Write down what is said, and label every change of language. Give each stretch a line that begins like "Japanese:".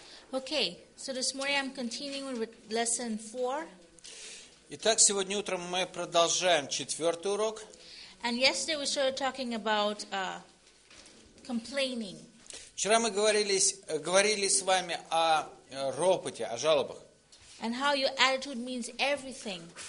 English: Okay, so this morning I'm continuing with lesson 4.
Russian: Итак, сегодня утром мы продолжаем четвертый урок.
English: And yesterday we started talking about complaining.
Russian: Вчера мы говорили с вами о ропоте, о жалобах.
English: And how your attitude means everything.